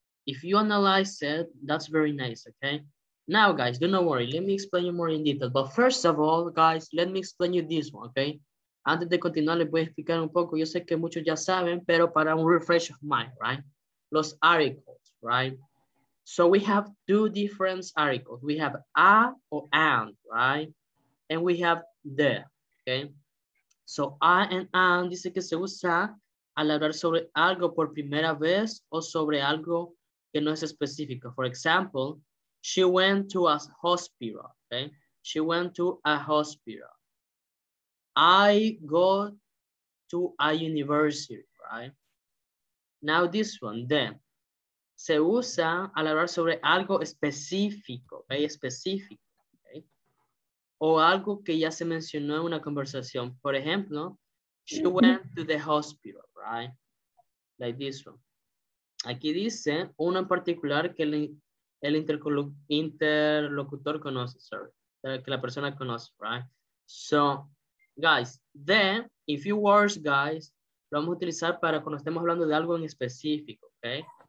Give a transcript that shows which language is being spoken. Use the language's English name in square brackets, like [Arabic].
[English] If you analyze it, that's very nice, okay? Now, guys, do not worry. Let me explain you more in detail. But first of all, guys, let me explain you this one, okay? [Spanish] Antes de continuar, les voy a explicar un poco. Yo sé que muchos ya saben, pero para un [English] refresh of mind, right? [Spanish] Los [English] articles, right? So we have 2 different articles. We have a or and, right? And we have the, okay? [Spanish] So a and and dice que se usa al hablar sobre algo por primera vez o sobre algo que no es específico. [English] For example, she went to a hospital, okay? She went to a hospital. I go to a university, right? Now this one, then. [Spanish] Se usa al hablar sobre algo específico, okay? Específico, okay? O algo que ya se mencionó en una conversación. Por ejemplo, [English] she went to the hospital, right? Like this one. [Spanish] Aquí dice uno en particular que le el interlocutor conoce, sorry, que la persona conoce, right? [English] So, guys, then, in few words, guys, [Spanish] lo vamos a utilizar para cuando estemos hablando de algo en específico, okay?